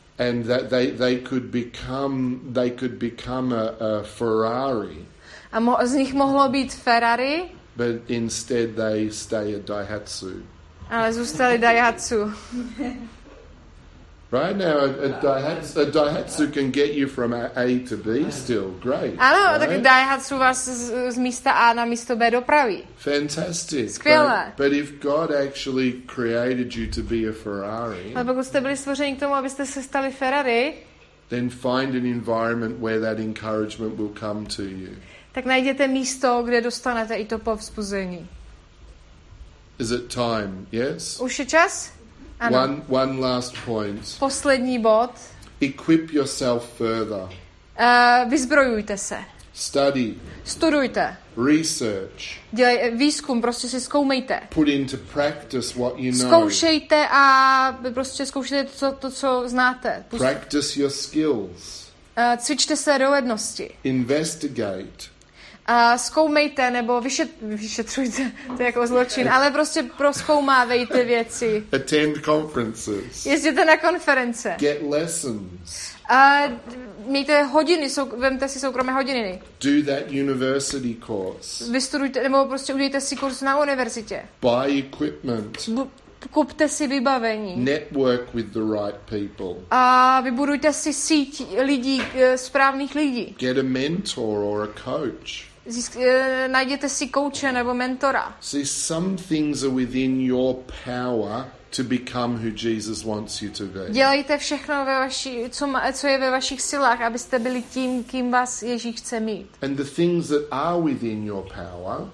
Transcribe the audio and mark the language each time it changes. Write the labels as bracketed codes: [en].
[en] And that they could become a Ferrari. [cs] A z nich mohlo být Ferrari. [en] But instead they stay a Daihatsu. [cs] Ale zůstali Daihatsu. [en] Right now a Daihatsu can get you from A to B still. Great. [cs] Ano, [en] right? [cs] Tak Daihatsu vás z místa A na místo B dopraví. [en] Fantastic. [cs] Skvěle. [en] But if God actually created you to be a Ferrari. [cs] Ale pokud jste byli stvořeni k tomu, abyste se stali Ferrari, [en] then find an environment where that encouragement will come to you. [cs] Tak najděte místo, kde dostanete i to povzbuzení. [en] Is it time? Yes? [cs] Už je čas? Ano. [en] One last point. [cs] Poslední bod. [en] Equip yourself further. [cs] Vyzbrojujte se. [en] Study. [cs] Studujte. [en] Research. [cs] Dělej výzkum, prostě si zkoumejte. [en] Put into practice what you know. [cs] Zkoušejte a prostě zkoušejte to, co znáte. [en] Practice your skills. [cs] Cvičte své dovednosti. [en] Investigate. [cs] Zkoumejte nebo vyšetřujte, to je jako zločin, ale prostě prozkoumávejte věci. [en] Attend conferences. [cs] Jezděte na konference. [en] Get lessons. [cs] Mějte hodiny, vemte si soukromé hodiny. [en] Do that university course. [cs] Vystudujte nebo prostě udějte si kurz na univerzitě. [en] Buy equipment. [cs] Kupte si vybavení. [en] Network with the right people. [cs] A vybudujte si síť lidí, správných lidí. [en] Get a mentor or a coach. [cs] Najděte si kouče nebo mentora. [en] See, some things are within your power to become who Jesus wants you to be. [cs] Dělejte všechno ve vaší, co je ve vašich silách, abyste byli tím, kým vás Ježíš chce mít. [en] And the things that are within your power.